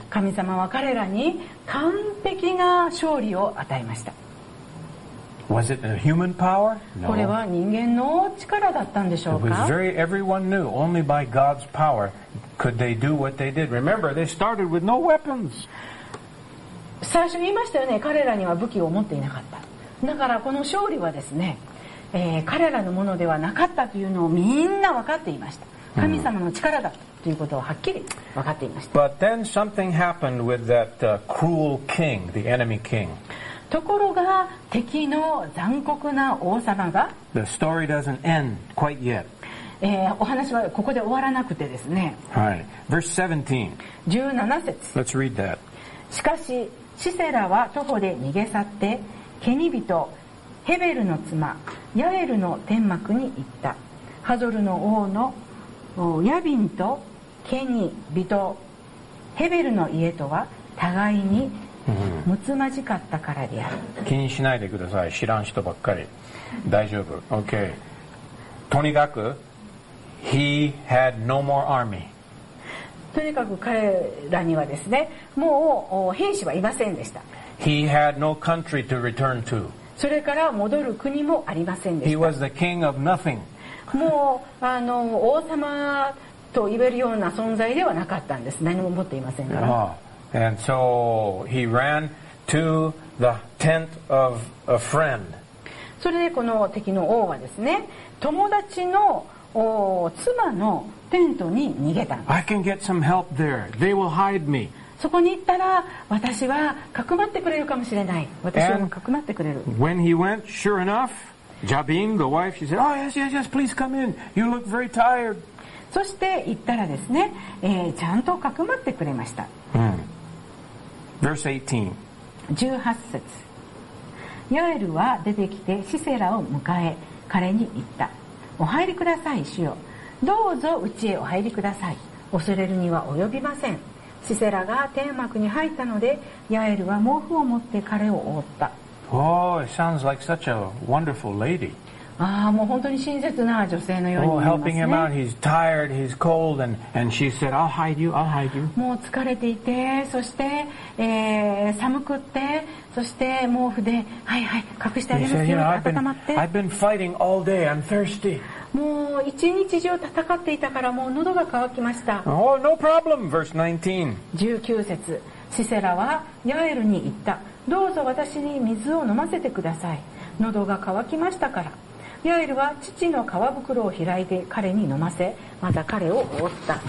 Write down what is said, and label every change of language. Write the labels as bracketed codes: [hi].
[ja] 神様は彼らに完璧な勝利を与えました。 [en] Was it a human power? No. [ja] これは人間の力だったんでしょうか? [en] It was very, everyone knew. Only by God's power could they do what they did. Remember, they started with no weapons. [ja] 最初言いましたよね。彼らには武器を持っていなかった。だからこの勝利はですね、彼らのものではなかったというのをみんな分かっていました。神様の力だということをはっきり分かっていました。 [en] But then something happened with that cruel king, the enemy king. [ja] ところが敵の残酷な王様が [en] The story doesn't end quite yet. [ja] お話はここで終わらなくてですね、 [en] はい、Verse 17 [ja] 節 [en] Let's read that. [ja] しかしシセラは徒歩で逃げ去ってケニ人ヘベルの妻ヤエルの天幕に行った。ハゾルの王のヤビンとケニ人ヘベルの家とは互いにむつまじかったからである。気にしないでください、知らん人ばっかり、大丈夫。 [en] OK、 [ja] とにかく [en] He had no more army。 [ja] とにかく彼らにはですね、もう兵士はいませんでした。 [en] He had no country to return to。 [ja] それから戻る国もありませんでした。 [en] He was the king of nothing。 [ja] もう王様と言えるような存在ではなかったんです。何も持っていませんから。 [en] And so he ran to the tent of a friend。 [ja] それでこの敵の王はですね、友達の妻のテントに逃げたんです。 [en] I can get some help there. They will hide me. [ja] そこに行ったら私はかくまってくれるかもしれない。私をかくまってくれる。 [en] And when he went, sure enough, Jabin, the wife, she said, Oh, yes, yes, yes, please come in. You look very tired. [ja] そして行ったらですね、ちゃんとかくまってくれました。 [en] Verse 18. 18 [ja] 節。ヤエルは出てきてシセラを迎え、彼に言った。お入りください主よ、どうぞ家へお入りください、恐れるには及びません。シセラが天幕に入ったので、ヤエルは毛布を持って彼を覆った。 [en] Oh, it sounds like such a wonderful lady. [ja] ああ、もう本当に親切な女性のように見えますね。 [en] Oh, helping him out, he's tired, he's cold, and she said, I'll hide you, I'll hide you. [ja] もう疲れていて、そして、寒くって、そして毛布で、はいはい、隠してありますよ、温まって。 [en] I've been fighting all day, I'm thirsty. [ja] もう一日中戦っていたから、もう喉が渇きました。 [en] Oh, no problem, verse 19. [ja] 19節、シセラはヤエルに言った。どうぞ私に水を飲ませてください、喉が渇きましたから。ヤエルは父の皮袋を開いて彼に飲ませ、また彼を覆った。